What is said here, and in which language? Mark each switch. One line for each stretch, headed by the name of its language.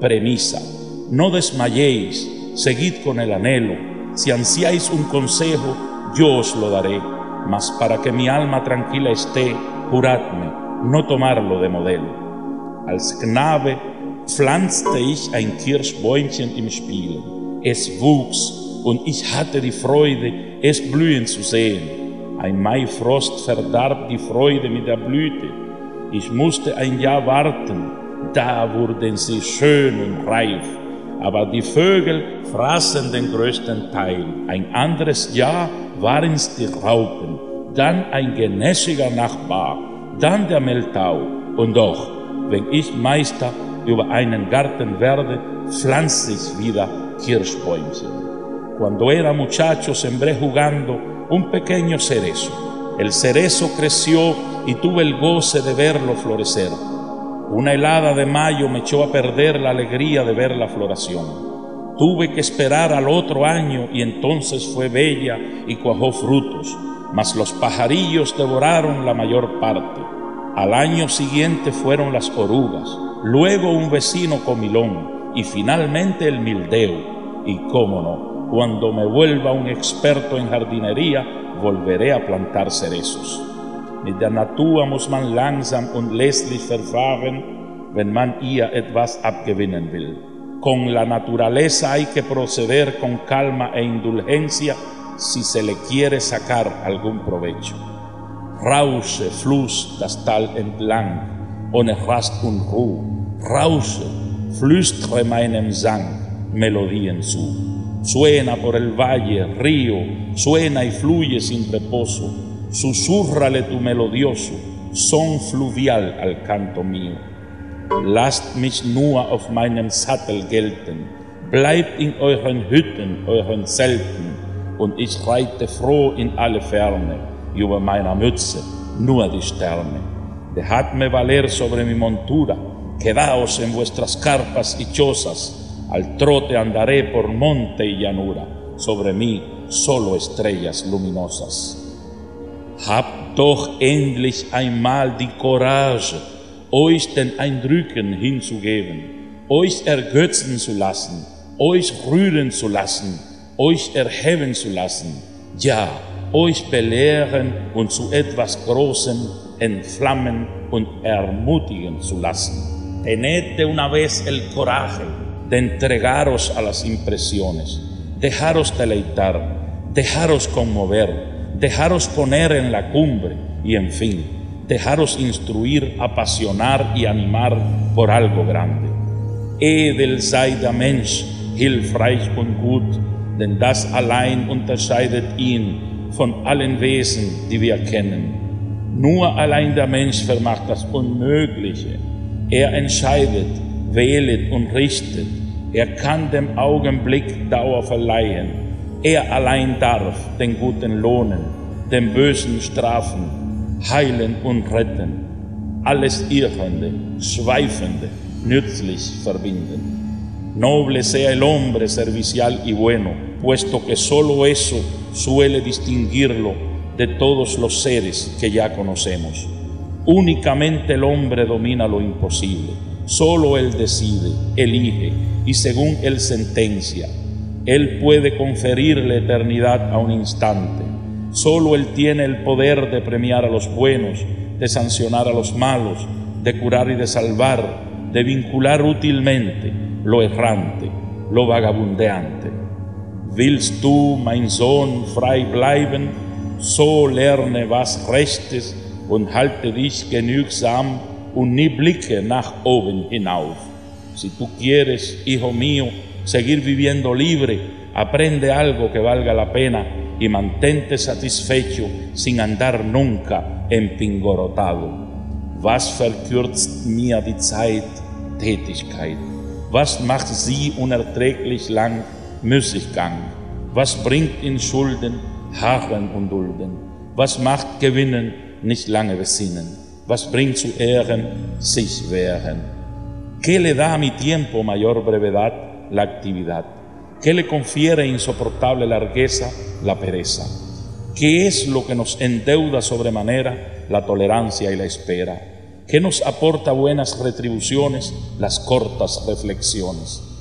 Spanish: Premisa. No desmayéis, seguid con el anhelo. Si ansiáis un consejo, yo os lo daré. Mas para que mi alma tranquila esté, juradme no tomarlo de modelo.
German: Als Knabe pflanzte ich ein Kirschbäumchen im Spielen. Es wuchs und ich hatte die Freude, es blühen zu sehen. Ein Maifrost verdarb die Freude mit der Blüte. Ich musste ein Jahr warten, da wurden sie schön und reif. Aber die Vögel fraßen den größten Teil. Ein anderes Jahr waren's die Raupen, dann ein genässiger Nachbar, dann der Mehltau. Und doch, wenn ich Meister über einen Garten werde, pflanze ich wieder Kirschbäumchen.
Spanish: Cuando era muchacho sembré jugando un pequeño cerezo. El cerezo creció y tuve el goce de verlo florecer. Una helada de mayo me echó a perder la alegría de ver la floración. Tuve que esperar al otro año y entonces fue bella y cuajó frutos, mas los pajarillos devoraron la mayor parte. Al año siguiente fueron las orugas, luego un vecino comilón y finalmente el mildeo. Y cómo no, cuando me vuelva un experto en jardinería, volveré a plantar cerezos.
German: Mit der Natur muss man langsam und lässlich verfahren, wenn man ihr etwas abgewinnen will.
Spanish: Con la naturaleza hay que proceder con calma e indulgencia si se le quiere sacar algún provecho.
German: Rausche, fluss das Tal entlang, ohne Rast und Ruhe. Rausche, flüstre meinem Sang, Melodien zu.
Spanish: Suena por el valle, río, suena y fluye sin reposo. Susurrale tu melodioso son fluvial al canto mío.
German: Lasst mich nur auf meinem Sattel gelten, bleibt in euren Hütten, euren Zelten, und ich reite froh in alle Ferne, über meiner Mütze nur die Sterne.
Spanish: Dejadme valer sobre mi montura, quedaos en vuestras carpas y chozas, al trote andaré por monte y llanura, sobre mí solo estrellas luminosas.
German: Habt doch endlich einmal die Courage, euch den Eindrücken hinzugeben, euch ergötzen zu lassen, euch rühren zu lassen, euch erheben zu lassen, ja, euch belehren und zu etwas Großem entflammen und ermutigen zu lassen.
Spanish: Tenete una vez el coraje de entregaros a las impresiones, dejaros deleitar, dejaros conmover, dejaros poner en la cumbre y, en fin, dejaros instruir, apasionar y animar por algo grande.
German: Edel sei der Mensch, hilfreich und gut, denn das allein unterscheidet ihn von allen Wesen, die wir kennen. Nur allein der Mensch vermacht das Unmögliche. Er entscheidet, wählet und richtet. Er kann dem Augenblick Dauer verleihen. Er allein darf den Guten lohnen, den Bösen strafen, heilen und retten, alles Irrende, Schweifende, nützlich verbinden.
Spanish: Noble sea el hombre servicial y bueno, puesto que solo eso suele distinguirlo de todos los seres que ya conocemos. Únicamente el hombre domina lo imposible, solo él decide, elige y según él sentencia. Él puede conferir la eternidad a un instante. Solo Él tiene el poder de premiar a los buenos, de sancionar a los malos, de curar y de salvar, de vincular útilmente lo errante, lo vagabundeante.
German: Willst du, mein Sohn, frei bleiben, so lerne was Rechtes und halte dich genügsam und nie blicke nach oben hinauf.
Spanish: Si tú quieres, hijo mío, seguir viviendo libre, aprende algo que valga la pena y mantente satisfecho sin andar nunca empingorotado.
German: Was verkürzt mir die Zeit Tätigkeit? Was macht sie unerträglich lang Müßiggang? Was bringt in Schulden Harren und Dulden? Was macht Gewinnen nicht lange besinnen? Was bringt zu Ehren sich wehren?
Spanish: ¿Qué le da a mi tiempo mayor brevedad la actividad? ¿Qué le confiere insoportable largueza la pereza? ¿Qué es lo que nos endeuda sobremanera la tolerancia y la espera? ¿Qué nos aporta buenas retribuciones las cortas reflexiones?